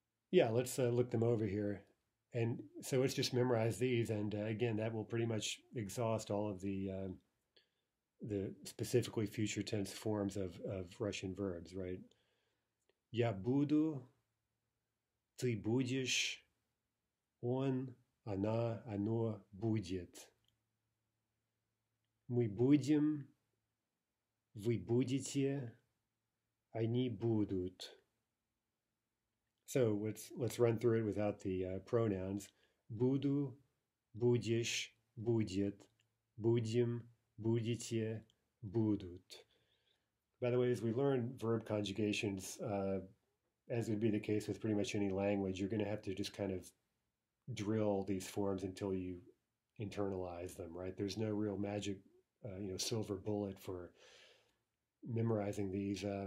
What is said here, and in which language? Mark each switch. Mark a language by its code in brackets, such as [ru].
[en] Yeah, let's look them over here. And so let's just memorize these. And again, that will pretty much exhaust all of the specifically future tense forms of Russian verbs, right? [ru] Я буду. Ты будешь, он, она, оно будет. Мы будем, вы будете, они будут. [en] So let's run through it without the pronouns. [ru] Буду, будешь, будет, будем, будете, будут. [en] By the way, as we learn verb conjugations, as would be the case with pretty much any language, you're going to have to just kind of drill these forms until you internalize them, right? There's no real magic, silver bullet for memorizing these.